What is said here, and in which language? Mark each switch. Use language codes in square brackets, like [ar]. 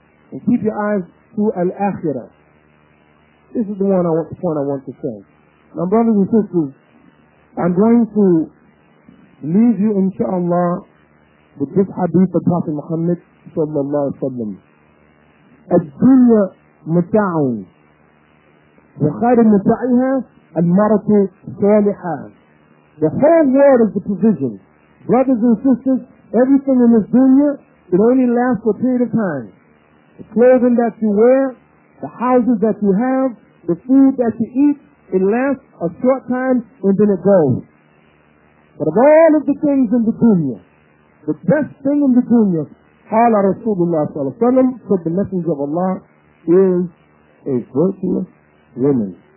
[en] And keep your eyes to Al-Akhirah. This is the one I want, the point I want to say. Now brothers and sisters, I'm going to leave you inshallah with this hadith of Prophet Muhammad sallallahu alayhi wa sallam. [ar] Al-Dunya Mata'un. وخير متاعها المرة الصالحة. [en] The whole world is the provision. Brothers and sisters, everything in this dunya, it only lasts for a period of time. The clothing that you wear, the houses that you have, the food that you eat, it lasts a short time and then it goes. But of all of the things in the dunya, the best thing in the dunya, [ar] قال رسول الله صلى الله عليه وسلم, [en] said the Messenger of Allah, is a virtuous woman.